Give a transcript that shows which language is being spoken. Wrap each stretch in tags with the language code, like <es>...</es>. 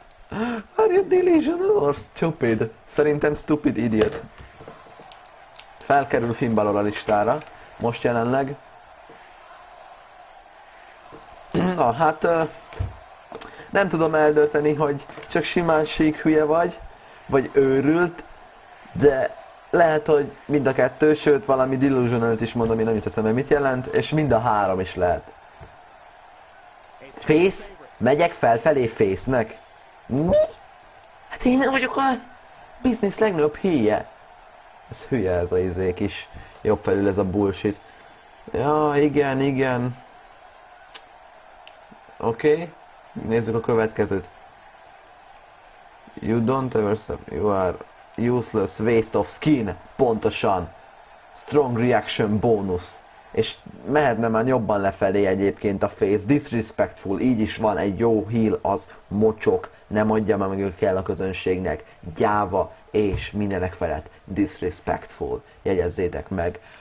<en>Are you delusional or stupid?</en> <hu>Szerintem</hu> <en>stupid idiot.</en> <hu>Felkerül Finn Balor a listára. Most jelenleg. Na, hát... nem tudom eldönteni, hogy csak simán sík hülye vagy, vagy őrült, de lehet, hogy mind a kettő, sőt valami delusionalt is mondom, én nem jutott eszembe, mit jelent, és mind a három is lehet. Fész? Megyek felfelé fésznek? Mi? Hát én vagyok a biznisz legnagyobb híje. Ez hülye ez a izék is. Jobb felül ez a bullshit. Ja, igen. Oké. Nézzük a következőt.</hu> <en>You don't ever say you are useless waste of skin.</en> <hu>Pontosan.</hu> <en>Strong reaction bonus.</en> <hu>És mehetne már jobban lefelé egyébként a face, disrespectful, így is van, egy jó heel az mocsok, nem adja már meg, hogy kell a közönségnek, gyáva és mindenek felett disrespectful, jegyezzétek meg.</hu>